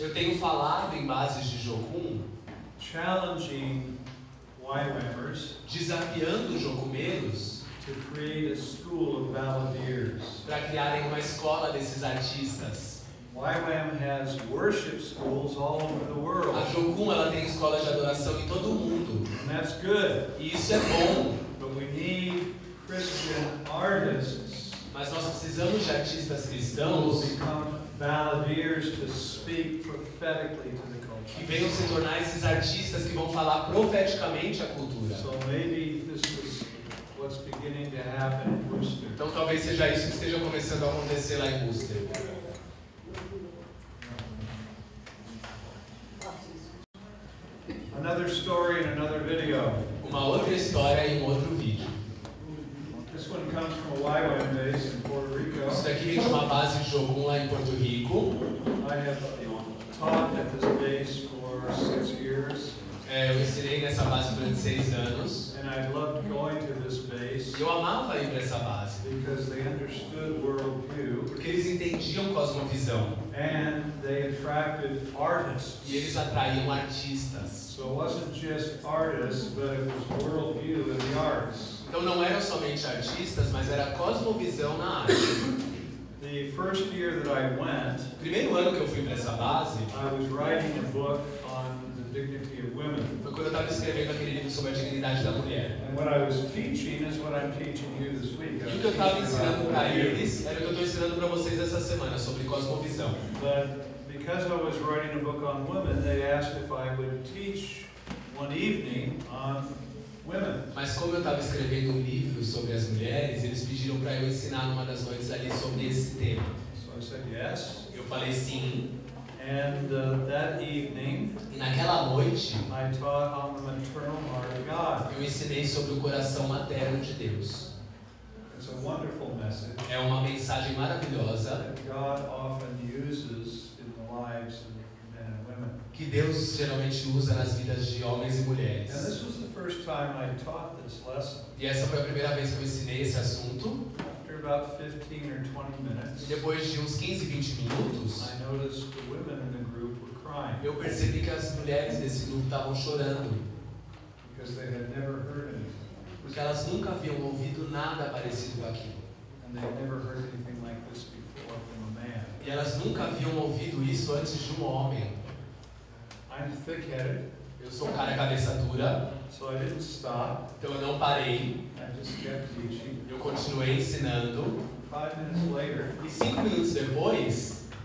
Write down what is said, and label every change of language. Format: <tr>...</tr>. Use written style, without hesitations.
<pt>Eu tenho falado em bases de Jokum,</pt> <en>challenging YWAMers,</en> <pt>desafiando jocumeiros</pt> <en>to create a school of balladeers.</en> <pt>Para criarem uma escola desses artistas.</pt> <en>YWAM has worship schools all over the world.</en> <pt>A Jokum ela tem escolas de adoração em todo o mundo.</pt> <en>And that's good.</en> <pt>E isso é bom.</pt> <en>But we need Christian artists.</en> <pt>Mas nós precisamos de artistas cristãos.</pt> <en>Balladeers to speak prophetically to the culture.</en> <pt>Que venham se tornar esses artistas que vão falar profeticamente à cultura.</pt> <en>So maybe this is what's beginning to happen in Worcester.</en> <pt>Então talvez seja isso que esteja começando a acontecer lá em Worcester.</pt> <en>Another story in another video.</en> <pt>Uma outra história em outro vídeo.</pt> <en>This one comes from a YWAM base in Puerto Rico.</en> <pt>Isso daqui vem de uma base de Jokum lá em Porto Rico.</pt> <en>I have taught at this base for 6 years.</en> <pt>Eu ensinei nessa base durante 6 anos.</pt> <en>And I loved going to this base.</en> <pt>Eu amava ir para essa base.</pt> <en>Because they understood worldview.</en> <pt>Porque eles entendiam cosmovisão.</pt> <en>And they attracted artists.</en> <pt>E eles atraíam artistas.</pt> <en>So it wasn't just artists, but it was worldview in the arts.</en> <pt>Então não eram somente artistas, mas era cosmovisão na arte.</pt> <en>The first year that I went,</en> <pt>primeiro ano que eu fui para essa base,</pt> <en>I was writing a book on the dignity of women.</en> <pt>Foi quando eu estava escrevendo aquele livro sobre a dignidade da mulher.</pt> <en>And what I was teaching is what I'm teaching you this week.</en> <pt>O que eu estava ensinando para eles era o que eu estou ensinando para vocês essa semana sobre cosmovisão.</pt> <en>But because I was writing a book on women, they asked if I would teach one evening on women.</en> <pt>Mas como eu estava escrevendo livro sobre as mulheres, eles pediram para eu ensinar numa das noites ali sobre esse tema.</pt> <en>So I said yes.</en> <pt>Eu falei sim.</pt> <en>And that evening,</en> <pt>e naquela noite,</pt> <en>I taught on the maternal heart of God.</en> <pt>Eu ensinei sobre o coração materno de Deus.</pt> <en>It's a wonderful message.</en> <pt>É uma mensagem maravilhosa.</pt> <en>God often uses in the lives of</en> <pt>que Deus geralmente usa nas vidas de homens e mulheres.</pt> <en>And this was the first time I taught this lesson.</en> <pt>E essa foi a primeira vez que eu ensinei esse assunto.</pt> <en>After about 15 or 20 minutes,</en> <pt>depois de uns 15, 20 minutos,</pt> <en>I noticed the women in the group were crying.</en> <pt>Eu percebi que as mulheres desse grupo estavam chorando.</pt> <en>Because they had never heard anything.</en> <pt>Porque elas nunca haviam ouvido nada parecido com aquilo.</pt> <en>And they had never heard anything like this before from a man.</en> <pt>E elas nunca haviam ouvido isso antes de um homem.</pt> <en>I'm thick-headed.</en> <pt>Eu sou um cara cabeça dura.</pt> <en>So I didn't stop.</en> <pt>Então eu não parei.</pt> <en>I just kept teaching.</en> <pt>Eu continuei ensinando.</pt> <en>5 minutes later,</en> <pt>e 5 minutos depois,</pt>